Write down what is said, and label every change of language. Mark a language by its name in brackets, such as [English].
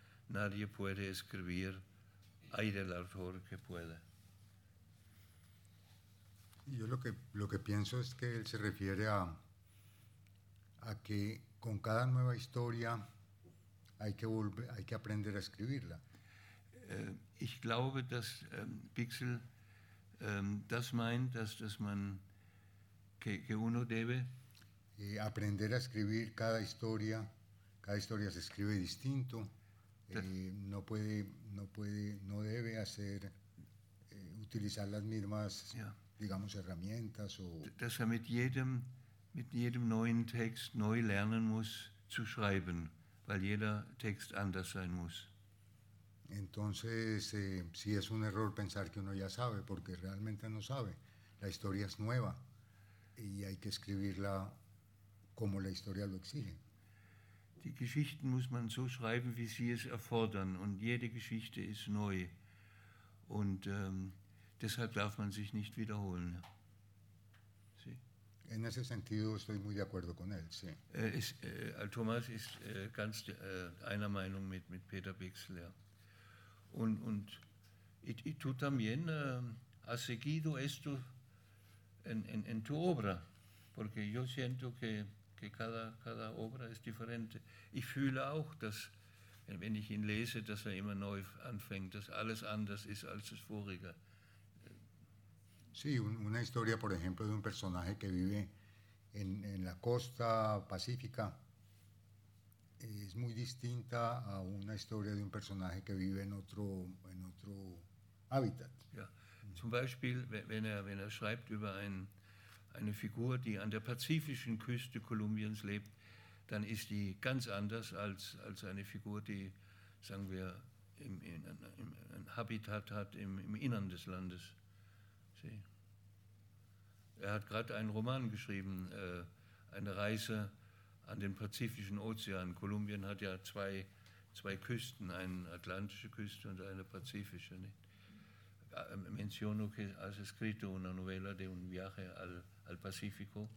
[Spanish] Nadie puede escribir, hay del autor que puede. Yo lo que pienso es que él se refiere a que con cada nueva historia hay que aprender a escribirla. [German] Ich glaube, dass Dixel das meint, dass man [Spanish] que uno debe aprender a escribir cada historia se escribe distinto, no debe hacer utilizar las mismas, yeah, digamos, herramientas o [German] dass mit jedem neuen Text neu lernen muss zu schreiben, weil jeder Text anders sein muss. [Spanish] Entonces sí es un error pensar que uno ya sabe, porque realmente no sabe. La historia es nueva y hay que escribirla como la historia lo exige. [German] Die Geschichten muss man so schreiben, wie sie es erfordern, und jede Geschichte ist neu. Und deshalb darf man sich nicht wiederholen. [Spanish] Sí. En ese sentido estoy muy de acuerdo con él, sí. [German] Thomas ist ganz einer Meinung mit Peter Dixel. [Spanish] Y tú también has seguido esto en tu obra, porque yo siento que cada obra es diferente. [German] Ich fühle auch, dass, wenn ich ihn lese, dass immer neu anfängt, dass alles anders ist als das vorige. [Spanish] Sí, una historia, por ejemplo, de un personaje que vive en la costa pacífica es muy distinta a una historia de un personaje que vive en otro hábitat. [German] Ja. Zum Beispiel, wenn er schreibt über eine Figur, die an der pazifischen Küste Kolumbiens lebt, dann ist die ganz anders als eine Figur, die, sagen wir, ein Habitat hat im Innern des Landes. Sie. Er hat gerade einen Roman geschrieben, eine Reise an den Pazifischen Ozean. Kolumbien hat ja zwei Küsten, eine atlantische Küste und eine pazifische. [Spanish] Menciono que has escrito una novela de un viaje al Pacífico.